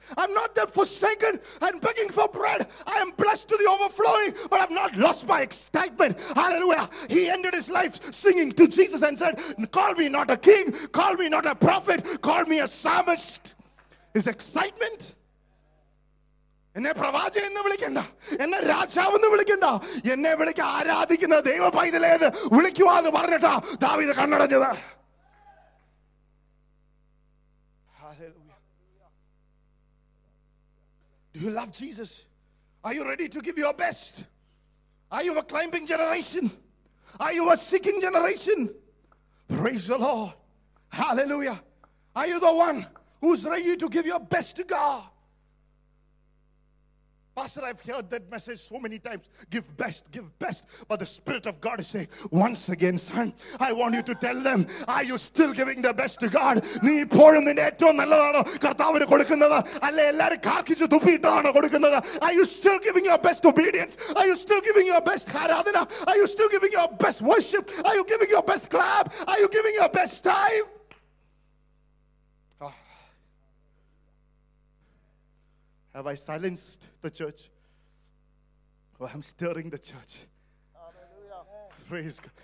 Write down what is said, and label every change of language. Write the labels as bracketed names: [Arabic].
[English] I'm not there forsaken and begging for bread. I am blessed to the overflowing, but I've not lost my excitement. Hallelujah. He ended his life singing to Jesus and said, call me not a king, call me not a prophet, call me a psalmist. His excitement. [Malayalam] എന്നെ പ്രവാച എന്ന് വിളിക്കണ്ട, എന്നെ രാജാവ് എന്ന് വിളിക്കണ്ട, എന്നെ വിളിക്ക ആരാധിക്കുന്ന ദൈവ പൈതലേത് വിളിക്കുവാ എന്ന് പറഞ്ഞിട്ടാ ദാവീദ് കണ്ണടഞ്ഞത്. [English] Do you love Jesus? Are you ready to give your best? Are you a climbing generation? Are you a seeking generation? Praise the Lord. Hallelujah. Are you the one who's ready to give your best to God? Pastor, I've heard that message so many times. Give best, give best. But the Spirit of God is saying, once again, son, I want you to tell them, are you still giving the best to God? [Malayalam] നീ ഇപ്പോഴും നിന്റെ ഏറ്റവും നല്ലതാണോ കർത്താവിന് കൊടുക്കുന്നത്? അല്ലെ എല്ലാരും കാർക്കിച്ച് തുപ്പിയിട്ടതാണോ കൊടുക്കുന്നത്? [English] Are you still giving your best obedience? Are you still giving your best aradhana? Are you still giving your best worship? Are you giving your best clap? Are you giving your best time? Have I silenced the church? Or I'm stirring the church. Hallelujah. Praise God.